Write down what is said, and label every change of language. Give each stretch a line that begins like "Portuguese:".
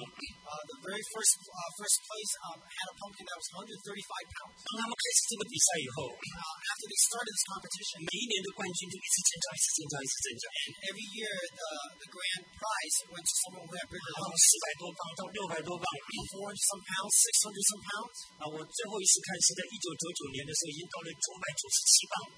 English: The very first place had a pumpkin that was 135 pounds.
Chinese: 当他们开始这个比赛以后，
English: after they started this competition,
Chinese: 每一年的冠军就一直增加，一直增加，一直增加。
English: And every year the grand prize went to someone who had bigger
Chinese: pounds. 400多磅到600多磅，
English: 400 some pounds, 600 some pounds.
Chinese: 然后我最后一次看是在1999年的时候，已经到了997磅。